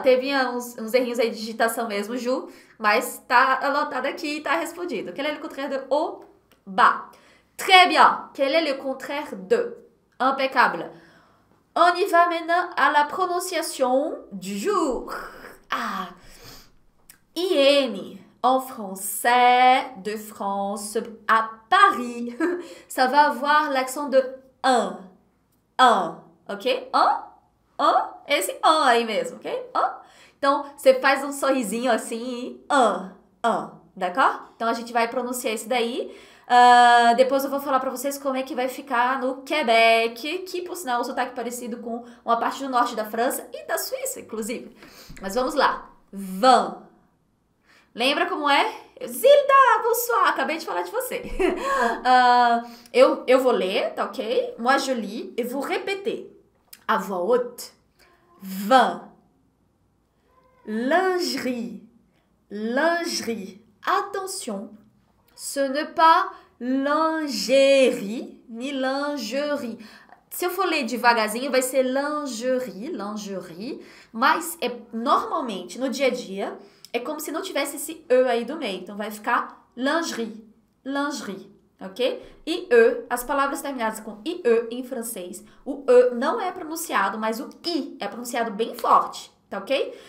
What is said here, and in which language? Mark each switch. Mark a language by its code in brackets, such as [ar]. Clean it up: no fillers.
[pt] Teve uns errinhos aí de digitação mesmo, Ju. Mas tá anotado aqui e tá respondido. [fr] Quel est le contraire de haut? Bas. Très bien. Quel est le contraire de? Impeccable. On y va maintenant à la prononciation du jour. Ah. IN. En français, de France à Paris. Ça va avoir l'accent de 1. 1. Ok? Hein? Hein? [pt] Esse hein aí mesmo, ok? Hein? Então, você faz um sorrisinho assim e hein, hein, d'accord? Então, a gente vai pronunciar esse daí. Depois eu vou falar pra vocês como é que vai ficar no Quebec, que, por sinal, é um sotaque parecido com uma parte do norte da França e da Suíça, inclusive. Mas vamos lá. Van. Lembra como é? Zilda, bonsoir, acabei de falar de você. Eu vou ler, tá ok? [fr] Moi, je lis et vous répétez. À voix haute. Vin. Lingerie. Lingerie. Attention, ce n'est pas lingerie, ni lingerie. [pt] Se eu for ler devagarzinho, vai ser lingerie, lingerie. Mas é normalmente, no dia a dia... É como se não tivesse esse E aí do meio. Então, vai ficar lingerie. Lingerie, ok? E E, as palavras terminadas com I, E em francês. O E não é pronunciado, mas o I é pronunciado bem forte, tá ok?